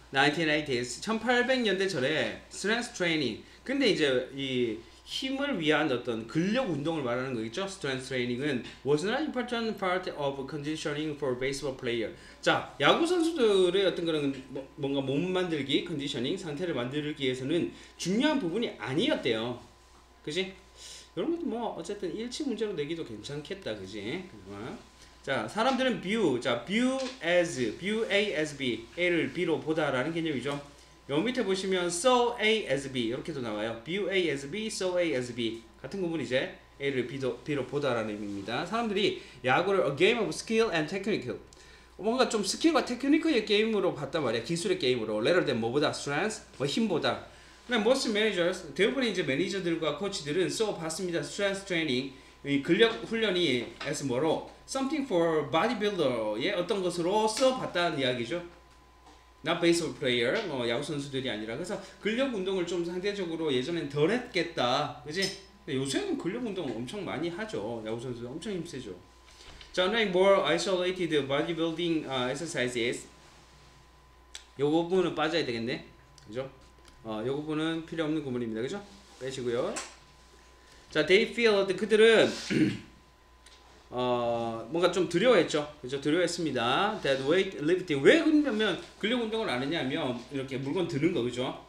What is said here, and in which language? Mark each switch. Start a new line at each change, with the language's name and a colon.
Korean: 1980s 1800년대 전에 스트렝스 트레이닝. 근데 이제 이 힘을 위한 어떤 근력 운동을 말하는 거겠죠. 스트렝스 트레이닝은
English: was not an important part of conditioning for baseball player.
Korean: 자, 야구 선수들의 어떤 그런 뭔가 몸 만들기, 컨디셔닝 상태를 만들기 위해서는 중요한 부분이 아니었대요. 그지? 여러분도 뭐 어쨌든 일치 문제로 내기도 괜찮겠다, 그지? 자, 사람들은 view, 자 view as, view A as B, A를 B로 보다라는 개념이죠. 여기 밑에 보시면 so A as B 이렇게도 나와요. view A as B, so A as B 같은 구분 이제 A를 B도, B로 보다라는 의미입니다. 사람들이 야구를
English: a game of skill and technical,
Korean: 뭔가 좀 스킬과 테크니컬의 게임으로 봤단 말이야. 기술의 게임으로.
English: rather than
Korean: 뭐보다, strength, 뭐 힘보다. 근데
English: most managers,
Korean: 대부분의 이제 매니저들과 코치들은 so 봤습니다. strength training, 이 근력 훈련이 as 뭐로
English: something for bodybuilder
Korean: 의 어떤 것으로 써 봤다는 이야기죠.
English: Not baseball player,
Korean: 뭐 야구 선수들이 아니라. 그래서 근력 운동을 좀 상대적으로 예전엔 덜 했겠다, 그지? 요새는 근력 운동 엄청 많이 하죠. 야구 선수 엄청 힘세죠.
English: 자, now more isolated bodybuilding exercises.
Korean: 요 부분은 빠져야 되겠네, 그죠? 요 부분은 필요 없는 구문입니다, 그죠? 빼시고요. 자,
English: they feel,
Korean: 그들은 뭔가 좀 두려워했죠. 그죠? 두려워했습니다.
English: That weight lifting.
Korean: 왜 그러냐면, 근력 운동을 안 했냐면, 이렇게 물건 드는 거, 그죠?